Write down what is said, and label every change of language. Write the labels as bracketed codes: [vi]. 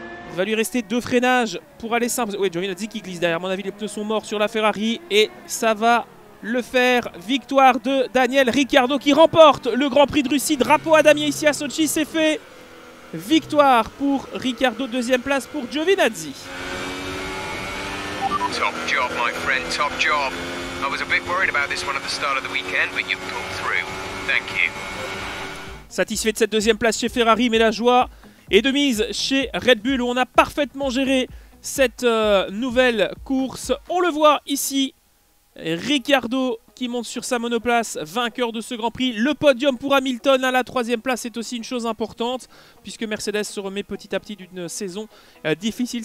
[fr] Il va lui rester deux freinages pour aller simple. Oui, Giovinazzi qui glisse derrière. À mon avis, les pneus sont morts sur la Ferrari. Et ça va le faire. Victoire de Daniel Ricciardo qui remporte le Grand Prix de Russie. Drapeau à Damien ici à Sochi, c'est fait. Victoire pour Ricciardo. Deuxième place pour Giovinazzi. [en] Top job, my friend, top job. I was a bit worried about this one at the start of the weekend, but you pulled through. Thank you. [fr] Satisfait de cette deuxième place chez Ferrari, mais la joie est de mise chez Red Bull, où on a parfaitement géré cette nouvelle course. On le voit ici, Ricciardo qui monte sur sa monoplace, vainqueur de ce Grand Prix. Le podium pour Hamilton à la troisième place est aussi une chose importante, puisque Mercedes se remet petit à petit d'une saison difficile.